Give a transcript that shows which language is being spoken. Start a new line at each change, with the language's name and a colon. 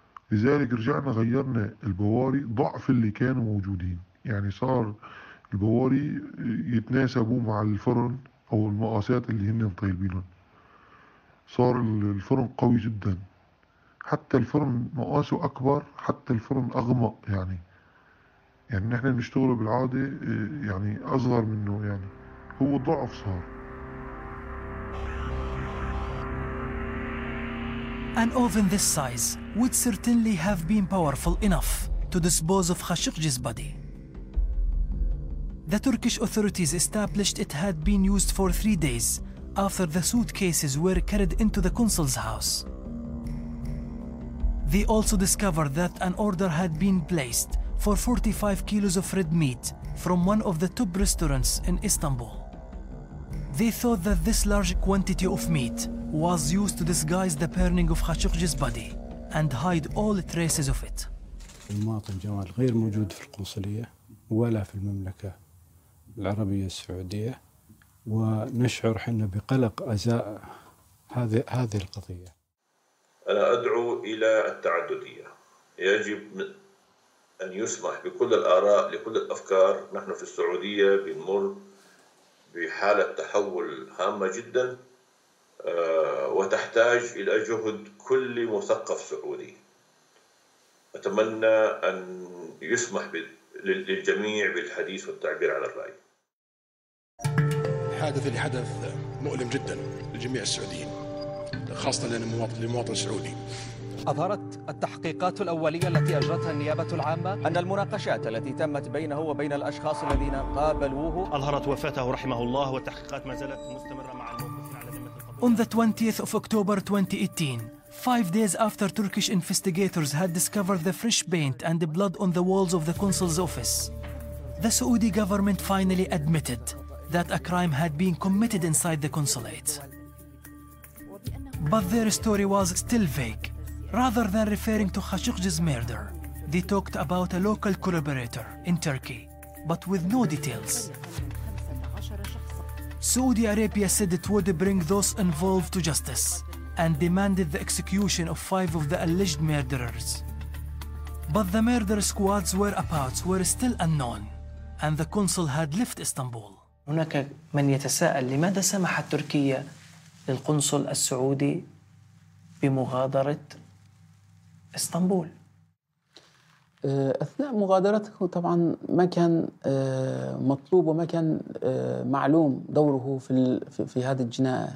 Arabic: لذلك رجعنا غيرنا البواري ضعف اللي كانوا موجودين، يعني صار البواري يتناسبوا مع الفرن أو المقاسات اللي هن طيبينهم، صار الفرن قوي جدا، حتى الفرن مقاسه أكبر، حتى الفرن أغمق يعني نحن بنشتغله بالعادة يعني أصغر منه، يعني هو ضعف صار.
English: An oven this size would certainly have been powerful enough to dispose of Khashoggi's body. The Turkish authorities established it had been used for 3 days after the suitcases were carried into the consul's house. They also discovered that an order had been placed for 45 kilos of red meat from one of the top restaurants in Istanbul. They thought that this large quantity of meat was used to disguise the burning of Khashoggi's body and hide all traces of it.
Arabic: المواطن جمال غير موجود في القنصلية ولا في المملكة العربية السعودية، ونشعر حنا بقلق أزاء هذه القضية. أنا أدعو إلى التعددية، يجب أن يسمح بكل الآراء لكل الأفكار. نحن في السعودية بنمر بحالة تحول هامة جدا وتحتاج إلى جهد كل مثقف سعودي. أتمنى أن يسمح للجميع بالحديث والتعبير على الرأي. الحادث اللي حدث مؤلم جدا لجميع السعوديين، خاصة للمواطن السعودي. أظهرت التحقيقات الأولية التي أجرتها النيابة العامة أن المناقشات التي تمت بينه وبين الأشخاص الذين قابلوه أظهرت وفاته رحمه الله، والتحقيقات ما زالت مستمرة مع
English: On the 20th of October 2018, 5 days after Turkish investigators had discovered the fresh paint and the blood on the walls of the consul's office, the Saudi government finally admitted that a crime had been committed inside the consulate. But their story was still vague. Rather than referring to Khashoggi's murder, they talked about a local collaborator in Turkey, but with no details. Saudi Arabia said it would bring those involved to justice and demanded the execution of 5 of the alleged murderers. But the murder squad's whereabouts were still unknown and the consul had left Istanbul.
Arabic: هناك من يتساءل لماذا سمحت تركيا للقنصل السعودي بمغادرة اسطنبول؟ أثناء مغادرته طبعا ما كان مطلوب وما كان معلوم دوره في هذه الجنائة.